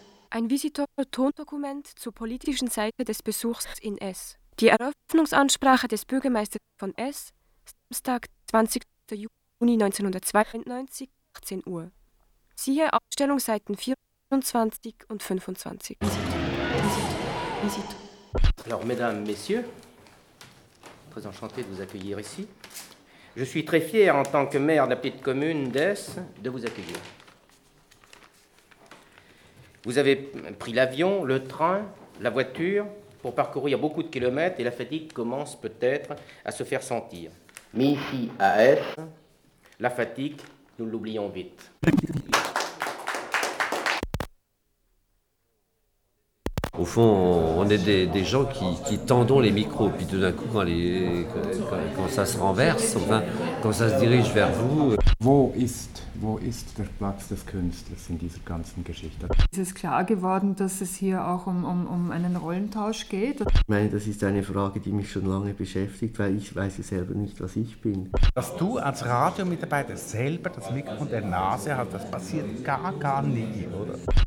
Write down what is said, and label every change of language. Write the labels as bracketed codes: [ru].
[de] Ein Visitor-Tondokument zur politischen Seite des Besuchs in S. Die Eröffnungsansprache des Bürgermeisters von S. Samstag, 20. Juni 1992, 18 Uhr. Siehe Ausstellungsseiten 24 und 25. [en] Visitor. [fr] Alors, mesdames, messieurs, très enchanté de vous accueillir ici. Je suis très fier, en tant que maire de la petite commune d'Es, de vous accueillir. Vous avez pris l'avion, le train, la voiture pour parcourir beaucoup de kilomètres et la fatigue commence peut-être à se faire sentir. Mais ici, à Es, la fatigue, nous l'oublions vite. Au fond, on est des gens qui tendons les micros, puis tout d'un coup, quand ça se renverse, enfin, quand ça se dirige vers vous. [de] Wo ist der Platz des Künstlers in dieser ganzen Geschichte? Ist es klar geworden, dass es hier auch um einen Rollentausch geht? Ich meine, das ist eine Frage, die mich schon lange beschäftigt, weil ich weiß ja selber nicht, was ich bin. Dass du als Radiomitarbeiter selber das Mikro in der Nase hast, das passiert gar nie, oder?